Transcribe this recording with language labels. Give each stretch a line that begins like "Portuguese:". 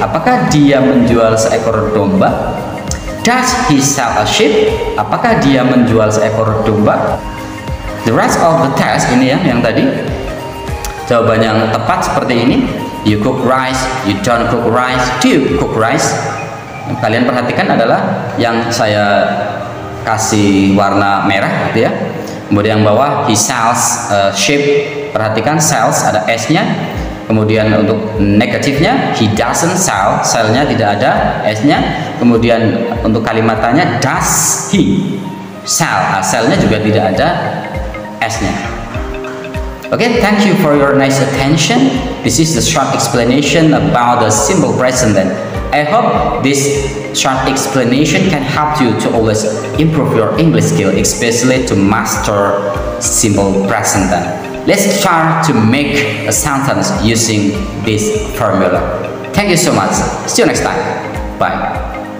Indonesian: Apakah dia menjual seekor domba?
English: Does he sell a sheep?
Indonesian: Apakah dia menjual seekor domba?
English: The rest of the test
Indonesian: ini ya, yang tadi jawaban yang tepat seperti ini.
English: You cook rice, you don't cook rice, do you cook rice?
Indonesian: Yang kalian perhatikan adalah yang saya kasih warna merah gitu ya. Kemudian yang bawah,
English: he sells a sheep.
Indonesian: Perhatikan sells ada S-nya. Kemudian untuk negatifnya,
English: he doesn't sell,
Indonesian: sell-nya tidak ada S-nya. Kemudian untuk kalimat tanya,
English: does he sell,
Indonesian: sell-nya juga tidak ada S-nya.
English: Okay, thank you for your nice attention. This is the short explanation about the simple present. And I hope this short explanation can help you to always improve your English skill, especially to master simple present. And let's try to make a sentence using this formula. Thank you so much. See you next time. Bye.